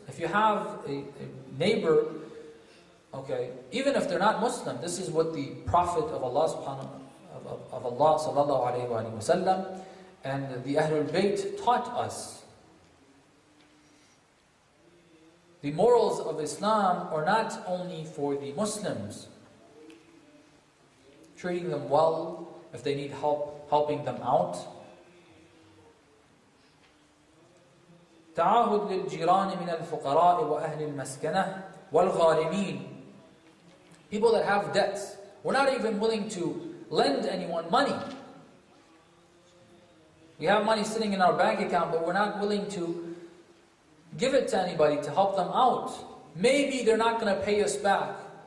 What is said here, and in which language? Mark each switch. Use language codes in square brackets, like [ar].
[en] If you have a neighbor, okay, even if they're not Muslim, this is what the Prophet of Allah subhanahu of Allah sallallahu alayhi wa sallam and the Ahlul Bayt taught us. The morals of Islam are not only for the Muslims, treating them well, if they need help, helping them out. [ar] تعاهد للجيران من الفقراء وأهل المسكنة والغارمين. [en] People that have debts, we're not even willing to lend anyone money. We have money sitting in our bank account, but we're not willing to give it to anybody to help them out. Maybe they're not going to pay us back.